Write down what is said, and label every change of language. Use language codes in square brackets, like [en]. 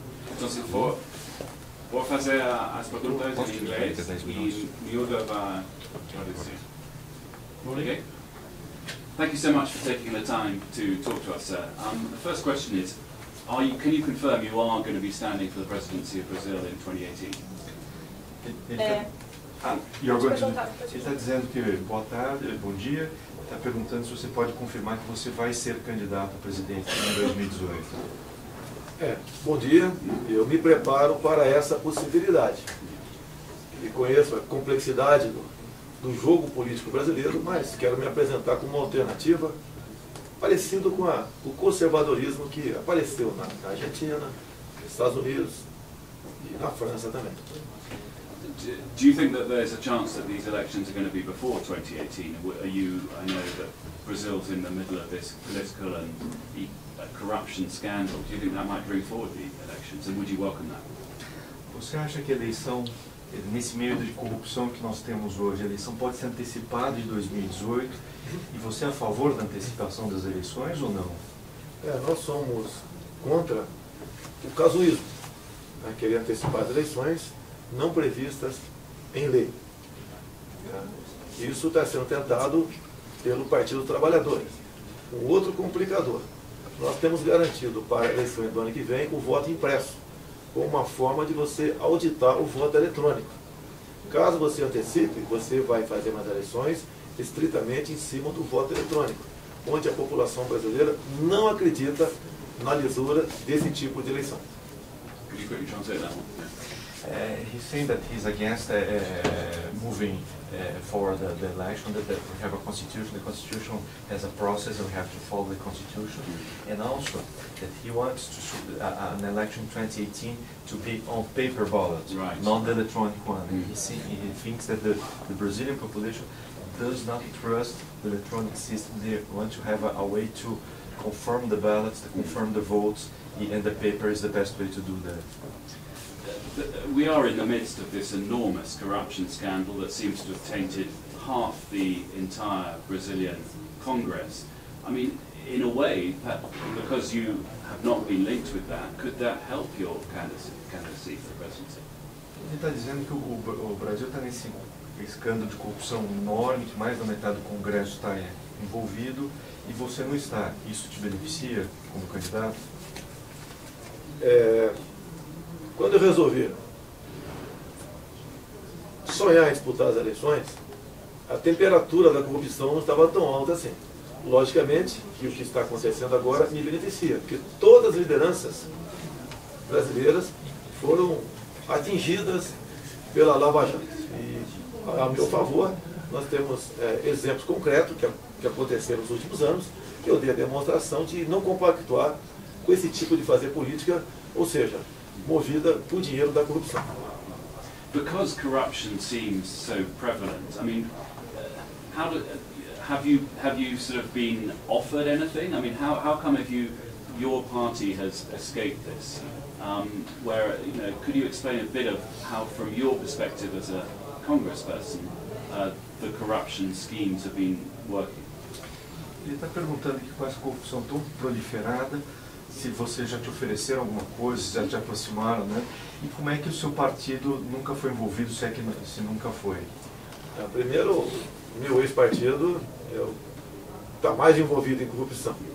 [pt] Então se for, vou fazer as perguntas em inglês e miúdo vai traduzir. [en] Thank you so much for taking the time to talk to us, sir. The first question is, can you confirm you are going to be standing for the presidency of Brazil in 2018? [pt] Ele está dizendo que boa tarde, bom dia. Está perguntando se você pode confirmar que você vai ser candidato a presidente em 2018. Bom dia. Eu me preparo para essa possibilidade. E conheço a complexidade do jogo político brasileiro, mas quero me apresentar como uma alternativa parecida com o conservadorismo que apareceu na Argentina, nos Estados Unidos e na França também. [en] Do you think that there's a chance that these elections are going to be before 2018? I know that Brazil's in the middle of this political and corruption scandal. Do you think that might bring forward the elections, and would you welcome that? [pt] Você acha que a eleição nesse meio de corrupção que nós temos hoje, a eleição pode ser antecipada de 2018, e você é a favor da antecipação das eleições ou não? É, nós somos contra o casuísmo, né, querer antecipar as eleições não previstas em lei. Isso está sendo tentado pelo Partido dos Trabalhadores. Um outro complicador, nós temos garantido para a eleição do ano que vem o voto impresso, como uma forma de você auditar o voto eletrônico. Caso você antecipe, você vai fazer mais eleições estritamente em cima do voto eletrônico, onde a população brasileira não acredita na lisura desse tipo de eleição. [en] He's saying that he's against moving forward the election, that we have a constitution, the constitution has a process, and we have to follow the constitution, and also that he wants to an election 2018 to be on paper ballot, right, not the electronic one. Mm-hmm. He thinks that the Brazilian population does not trust the electronic system. They want to have a way to confirm the ballots, to confirm the votes, and the paper is the best way to do that. We are in the midst of this enormous corruption scandal that seems to have tainted half the entire Brazilian Congress. I mean, in a way, because you have not been linked with that, could that help your candidacy for the presidency? [pt] Ele está dizendo que o Brasil está nesse escândalo de corrupção enorme, que mais da metade do Congresso está envolvido, e você não está. Isso te beneficia como candidato? Quando eu resolvi sonhar em disputar as eleições, a temperatura da corrupção não estava tão alta assim. Logicamente, que o que está acontecendo agora me beneficia, porque todas as lideranças brasileiras foram atingidas pela Lava Jato. E, a meu favor, nós temos exemplos concretos que aconteceram nos últimos anos, que eu dei a demonstração de não compactuar com esse tipo de fazer política, ou seja, movida por dinheiro da corrupção. [en] Because corruption seems so prevalent, I mean, have you sort of been offered anything? I mean, how come if your party has escaped this? Where, you know, could you explain a bit of how, from your perspective as a congressperson, the corruption schemes have been working? [pt] Ele está perguntando que com essa corrupção tão proliferada, se você já te ofereceram alguma coisa, se já te aproximaram, né? E como é que o seu partido nunca foi envolvido, se nunca foi? Primeiro, meu ex-partido está mais envolvido em corrupção.